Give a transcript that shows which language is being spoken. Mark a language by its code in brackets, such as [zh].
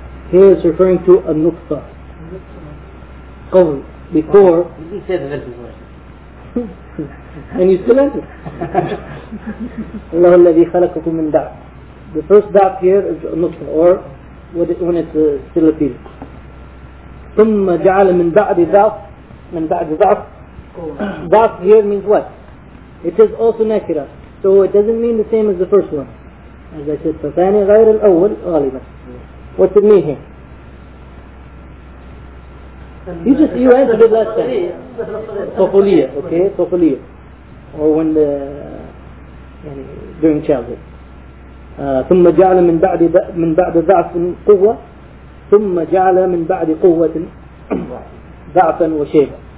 [en] Here it's referring to a نقطة. Before. You didn't say the verse before. And you still answer. [ar] Allah الذي خلقكم من ضعف. [en] The first ضعف here is nutfa, or when it's still a fetus. [ar] ثم جعل من بعد ضعف. [en] ضعف here means what? It is also nakira. So it doesn't mean the same as the first one. As I said, [ar] فثاني غير الأول غالبا. [en] What's it mean here? You answered it last time. Tofoliyah, okay? Tofoliyah. Or when the... during childhood. [ar] ثُمَّ جَعْلَ مِن بَعْدِ ضَعْفٍ قُوَّةٍ ثُمَّ جَعْلَ مِن بَعْدِ قُوَّةٍ ضَعْفًا وَشَيْبًا.